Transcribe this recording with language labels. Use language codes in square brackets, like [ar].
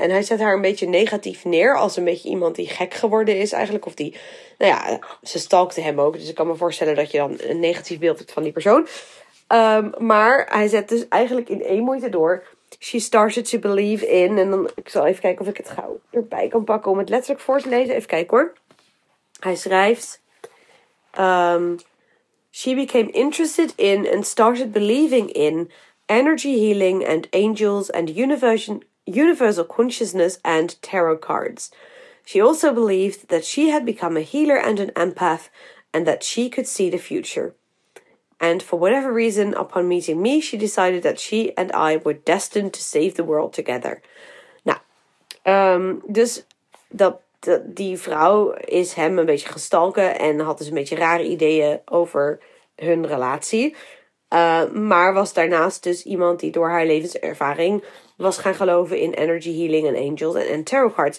[nl] En hij zet haar een beetje negatief neer als een beetje iemand die gek geworden is eigenlijk. Of die, ze stalkte hem ook. Dus ik kan me voorstellen dat je dan een negatief beeld hebt van die persoon. Maar hij zet dus eigenlijk in één moeite door. She started to believe in. En dan, ik zal even kijken of ik het gauw erbij kan pakken om het letterlijk voor te lezen. Even kijken hoor. [en] Hij schrijft, she became interested in and started believing in energy healing and angels and universal consciousness and tarot cards. She also believed that she had become a healer and an empath and that she could see the future. And for whatever reason, upon meeting me, she decided that she and I were destined to save the world together. [nl] Dus die vrouw is hem een beetje gestalken en had dus een beetje rare ideeën over hun relatie. Maar was daarnaast dus iemand die door haar levenservaring was gaan geloven in energy healing en angels en tarot cards.